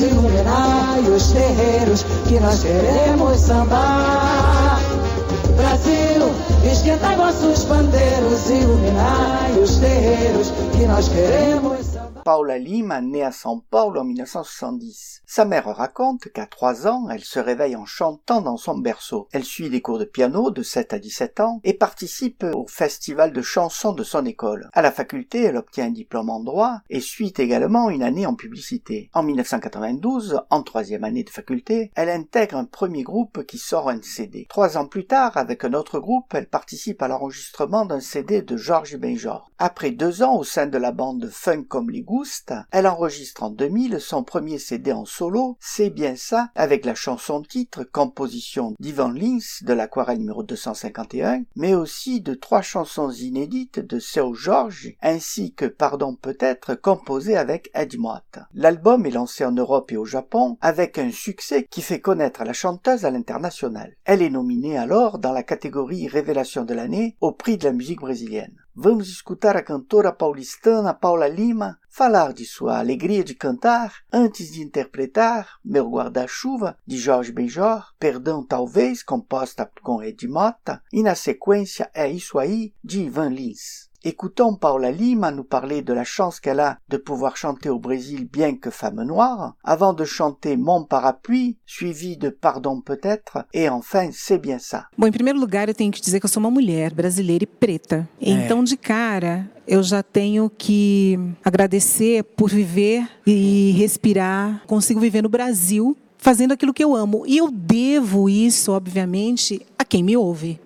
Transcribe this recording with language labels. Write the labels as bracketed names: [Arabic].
[Portuguese] Iluminai os terreiros que nós queremos sambar. Brasil, esquenta vossos panteiros. Iluminai os terreiros que nós queremos sambar. [French] Paula Lima naît à São Paulo en 1970. Sa mère raconte qu'à 3 ans, elle se réveille en chantant dans son berceau. Elle suit des cours de piano de 7 à 17 ans et participe au festival de chansons de son école. À la faculté, elle obtient un diplôme en droit et suit également une année en publicité. En 1992, en troisième année de faculté, elle intègre un premier groupe qui sort un CD. 3 ans plus tard, avec un autre groupe, elle participe à l'enregistrement d'un CD de Georges Benjor. Après 2 ans au sein de la bande Funk comme les Gouste, elle enregistre en 2000 son premier CD en solo, C'est bien ça, avec la chanson-titre composition d'Ivan Lins de l'Aquarelle numéro 251, mais aussi de 3 chansons inédites de Seu Jorge, ainsi que Pardon peut-être, composée avec Ed Mott. L'album est lancé en Europe et au Japon, avec un succès qui fait connaître la chanteuse à l'international. Elle est nominée alors dans la catégorie Révélation de l'année au prix de la musique brésilienne. [Portuguese] Vamos escutar a cantora paulistana Paula Lima falar de sua alegria de cantar antes de interpretar Meu Guarda-Chuva, de Jorge Benjor, Perdão Talvez, composta com Ed Mota, e na sequência É Isso Aí, de Ivan Lins. [French] Écoutons Paula Lima nous parler de la chance qu'elle a de pouvoir chanter au Brésil bien que femme noire, avant de chanter Mon Parapluie, suivi de Pardon peut-être, et enfin C'est bien ça. [Portuguese] Bom, em primeiro lugar, eu tenho que dizer que eu sou uma mulher brasileira e preta. Então, de cara, eu já tenho que agradecer por viver e respirar. Consigo viver no Brasil fazendo aquilo que eu amo. E eu devo isso, obviamente, a quem me ouve.